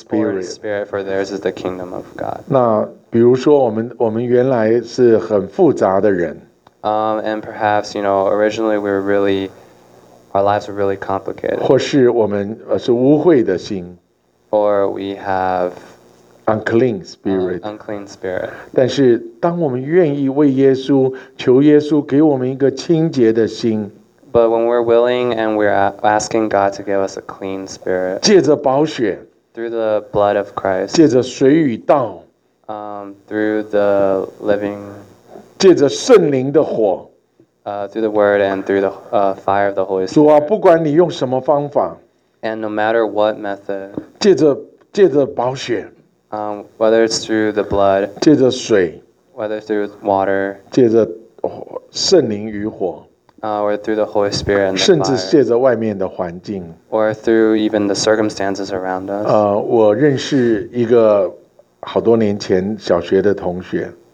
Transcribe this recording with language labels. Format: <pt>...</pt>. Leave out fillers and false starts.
<en>Poor in spirit, for theirs is the kingdom of God.</en> <zh>那比如说，我们原来是很复杂的人。</zh> <en>And perhaps, you know, originally we were really, our lives were really complicated.</en> <zh>或是我们是污秽的心。</zh> <en>Or we have unclean spirit. Unclean spirit.</en> <zh>但是当我们愿意为耶稣求耶稣给我们一个清洁的心。</zh> <en>But when we're willing and we're asking God to give us a clean spirit.</en> <zh>借着宝血。</zh> <en>Through the blood of Christ.</en> <zh>借着水与道。</zh> <en>Through the living.</en> <zh>借着圣灵的火。</zh> <en>Through the word and through the fire of the Holy Spirit.</en> <zh>主啊，不管你用什么方法。</zh> <en>And no matter what method.</en> <zh>借着宝血。</zh> <en>Whether it's through the blood.</en> <zh>借着水。</zh> <en>Whether it's through water.</en> <zh>借着圣灵与火。</zh> <en>Or through the Holy Spirit and the</en> <zh>fire. 甚至借着外面的环境。</zh> <en>Or through even the circumstances around us.</en> <zh>我认识一个好多年前小学的同学。</zh>